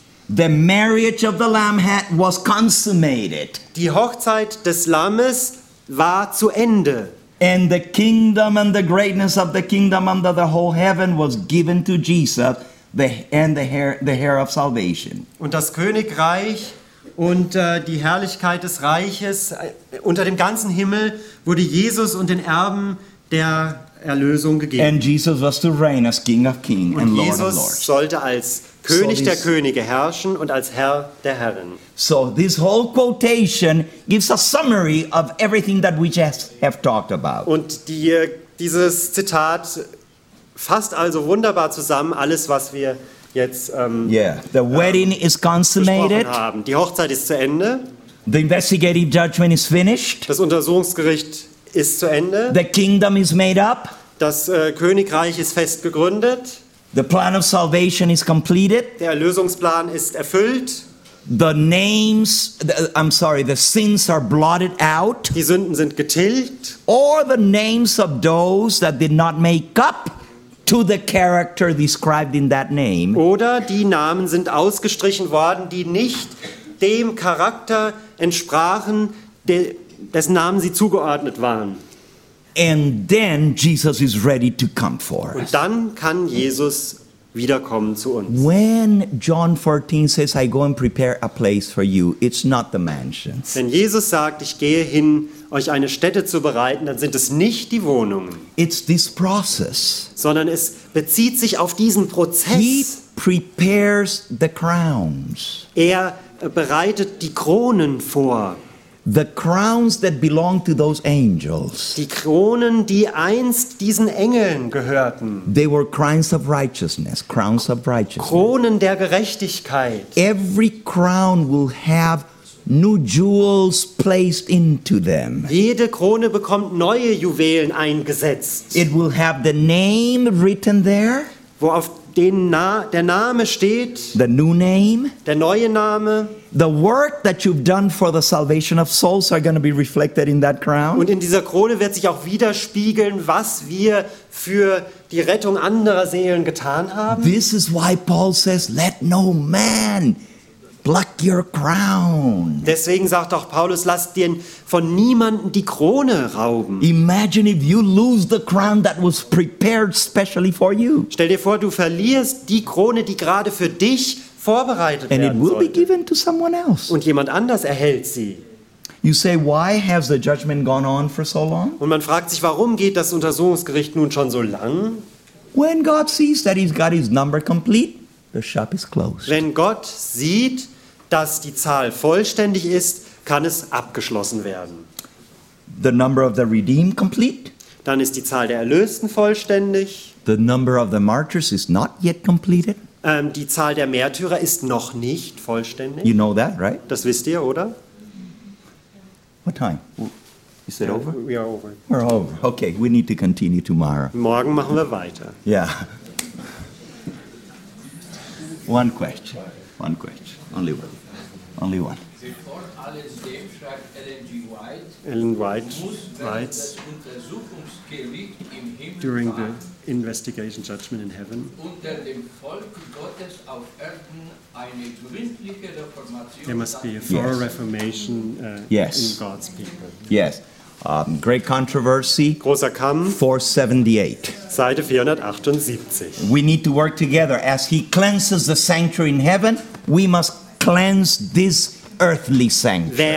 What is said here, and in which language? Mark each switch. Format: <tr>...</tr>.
<en>The marriage of the lamb was consummated.</en> <de>Die Hochzeit des Lammes war zu Ende.</de> <en>And the kingdom and the greatness of the kingdom under the whole heaven was given to Jesus, the heir of salvation.</en> <de>Und das Königreich und die Herrlichkeit des Reiches unter dem ganzen Himmel wurde Jesus und den Erben der Erlösung gegeben.</de> <en>And Jesus was to reign as King of Kings and Lord of Lords.</en> <de>Jesus sollte als König der Könige herrschen und als Herr der Herren.</de> <en>So this whole quotation gives a summary of everything that we just have talked about.</en> <de>Und dieses Zitat fasst also wunderbar zusammen alles, was wir jetzt</de> <en>the wedding is consummated.</en> <de>Die Hochzeit ist zu Ende.</de> <en>The investigative judgment is finished.</en> <de>Das Untersuchungsgericht ist zu Ende.</de> <en>The kingdom is made up.</en> <de>Das Königreich ist fest gegründet.</de> <en>The plan of salvation is completed.</en> <de>Der Erlösungsplan ist erfüllt.</de> <en>The sins are blotted out.</en> <de>Die Sünden sind getilgt.</de> <en>Or the names of those that did not make up to the character described in that name.</en> <de>Oder die Namen sind ausgestrichen worden, die nicht dem Charakter entsprachen, dessen Namen sie zugeordnet waren.</de> <en>And then Jesus is ready to come for us.</en> <de>Und dann kann Jesus wiederkommen zu uns.</de> <en>When John 14 says, I go and prepare a place for you, it's not the mansions.</en> <de>Wenn Jesus sagt, ich gehe hin, euch eine Stätte zu bereiten, dann sind es nicht die Wohnungen.</de> <en>It's this process.</en> <de>Sondern es bezieht sich auf diesen Prozess.</de> <en>He prepares the crowns.</en> <de>Er bereitet die Kronen vor.</de> <en>The crowns that belong to those angels.</en> <de>Die Kronen, die einst diesen Engeln gehörten.</de> <en>They were crowns of righteousness, crowns of righteousness.</en> <de>Kronen der Gerechtigkeit.</de> <en>Every crown will have new jewels placed into them.</en> <de>Jede Krone bekommt neue Juwelen eingesetzt.</de> <en>It will have the name written there.</en> <de>Wo auf den der Name steht.</de> <en>The new name.</en> <de>Der neue Name.</de> <en>The work that you've done for the salvation of souls are going to be reflected in that crown.</en> <de>Und in dieser Krone wird sich auch widerspiegeln, was wir für die Rettung anderer Seelen getan haben.</de> <en>This is why Paul says, let no man pluck your crown.</en> <de>Deswegen sagt auch Paulus, lass dir von niemanden die Krone rauben.</de> <en>Imagine if you lose the crown that was prepared specially for you.</en> <de>Stell dir vor, du verlierst die Krone, die gerade für dich vorbereitet</de> <en>and</en> <de>werden</de> <en>it will</en> <de>sollte.</de> <en>Be given to someone else.</en> <de>Und jemand anders erhält sie.</de> <en>You say, why has the judgment gone on for so long?</en> <de>Und man fragt sich, warum geht das Untersuchungsgericht nun schon so lang?</de> <en>When God sees that he's got his number complete, the shop is closed.</en> <de>Wenn Gott sieht, dass die Zahl vollständig ist, kann es abgeschlossen werden.</de> <en>The number of the redeemed complete.</en> <de>Dann ist die Zahl der Erlösten vollständig.</de> <en>The number of the martyrs is not yet completed.</en> <de>Die Zahl der Märtyrer ist noch nicht vollständig.</de> <en>You know that, right?</en> <de>Das wisst ihr, oder?</de> <en>What time? Is it over? We are over. We're over. Okay, we need to continue tomorrow.</en> <de>Morgen machen wir weiter.</de> <en>Yeah. One question. Only one.</en> <de>Bevor alles dem, schreibt</de> <en>Ellen G. White writes,</en> <de>das Untersuchungsgericht im Himmel</de> <en>during the investigation judgment in heaven,</en> <de>unter dem Volk Gottes auf Erden eine gründliche Reformation,</de> <en>there must be a thorough reformation in God's people. Yes. Great controversy.</en> <de>Großer Kampf.</de> <en>478.</en> <de>Seite 478.</de> <en>We need to work together. As he cleanses the sanctuary in heaven, we must cleanse this earthly sanctuary.</en>